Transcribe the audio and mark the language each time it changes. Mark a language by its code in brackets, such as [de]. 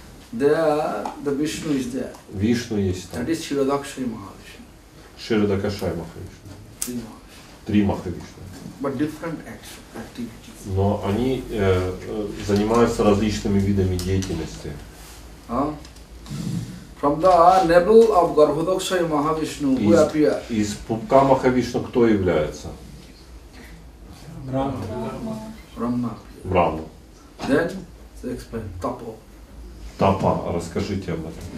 [en] There, the Vishnu is there. [ru] Vishnu есть там. [en] That is Shirodakshaya Mahavishnu. [ru] Shirodakshaya Mahavishnu. Три Махавишну. [en] But different activities. [ru] Но они занимаются различными видами деятельности. [en] From the navel of Garbhodakshaya Mahavishnu, who appears? [ru] Из пупка Махавишну кто является? Брахма. Брахма. [en] Then, explain. [ru] Тапа. Тапа, расскажите об этом.